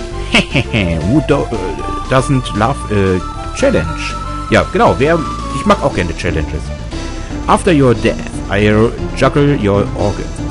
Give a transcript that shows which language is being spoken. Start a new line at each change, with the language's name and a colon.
English: Hehehe, who doesn't love a challenge?
German: Ja, genau, ich mag auch gerne Challenges.
English: After your death, I'll juggle your organs.